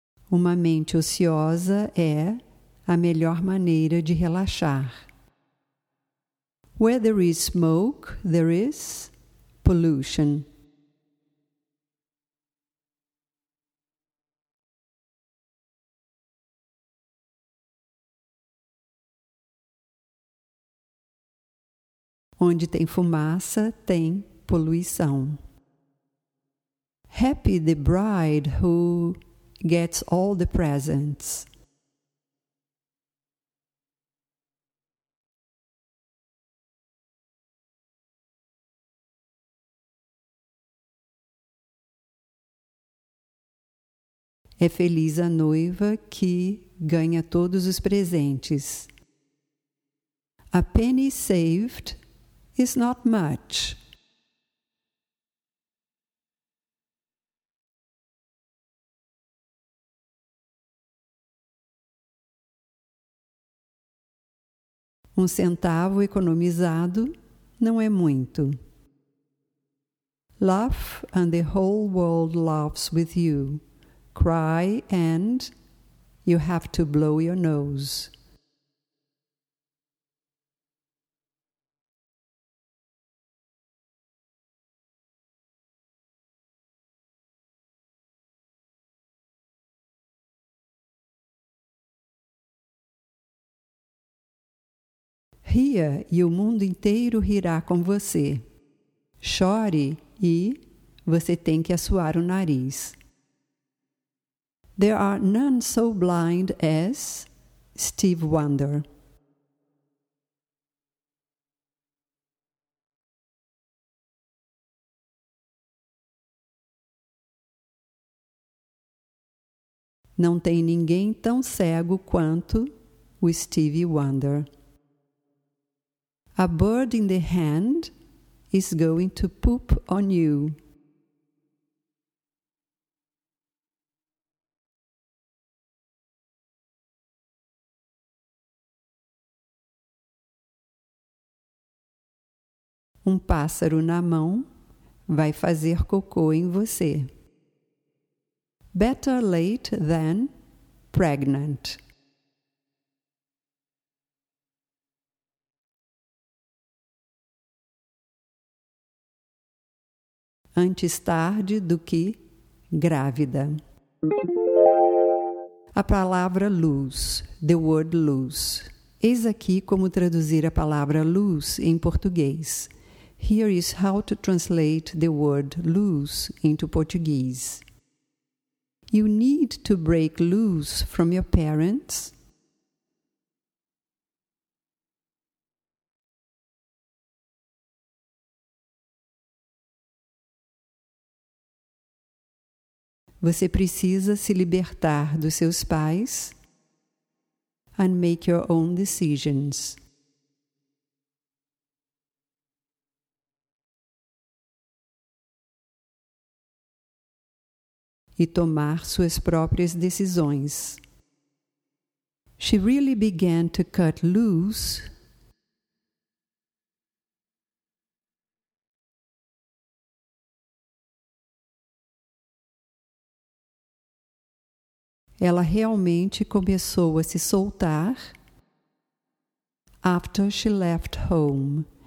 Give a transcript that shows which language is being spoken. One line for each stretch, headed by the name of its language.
Portuguese: Uma mente ociosa é a melhor maneira de relaxar.
English: Where there is smoke, there is pollution.
Portuguese: Onde tem fumaça, tem poluição.
English: Happy the bride who gets all the presents.
Portuguese: É feliz a noiva que ganha todos os presentes.
English: A penny saved is not much.
Portuguese: Um centavo economizado não é muito.
English: Laugh and the whole world laughs with you. Cry and you have to blow your nose.
Portuguese: Ria e o mundo inteiro rirá com você. Chore e você tem que assoar o nariz.
English: There are none so blind as Steve Wonder.
Portuguese: Não tem ninguém tão cego quanto o Steve Wonder.
English: A bird in the hand is going to poop on you.
Portuguese: Um pássaro na mão vai fazer cocô em você.
English: Better late than pregnant.
Portuguese: Antes tarde do que grávida. A palavra luz,
English: the word luz.
Portuguese: Eis aqui como traduzir a palavra luz em português.
English: Here is how to translate the word luz into Portuguese. You need to break loose from your parents.
Portuguese: Você precisa se libertar dos seus pais
English: and make your own decisions.
Portuguese: E tomar suas próprias decisões.
English: She really began to cut loose
Portuguese: Ela realmente começou a se soltar
English: after she left home.